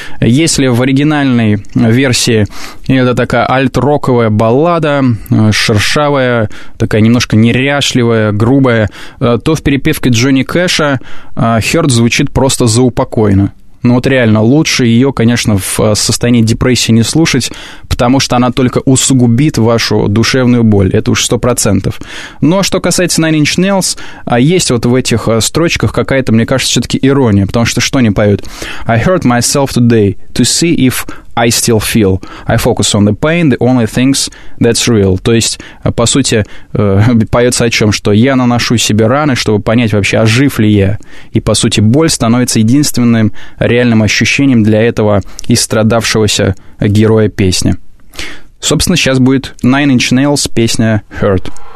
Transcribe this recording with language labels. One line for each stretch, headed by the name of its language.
Russian: Если в оригинальной версии это такая альт-роковая баллада, шершавая, такая немножко неряшливая, грубая, то в перепевке Джонни Кэша «Hurt» звучит просто заупокойно. Ну вот реально, лучше ее, конечно, в состоянии депрессии не слушать, потому что она только усугубит вашу душевную боль. Это уж 100%. Ну а что касается Nine Inch Nails, есть вот в этих строчках какая-то, мне кажется, все-таки ирония, потому что что они поют?
English: I hurt myself today to see if I still feel. I focus on the pain, the only things that's real.
Russian: То есть, по сути, поется о чем? Что я наношу себе раны, чтобы понять вообще, ожив ли я. И, по сути, боль становится единственным реальным ощущением для этого истрадавшегося героя песни. Собственно, сейчас будет Nine Inch Nails, песня «Hurt».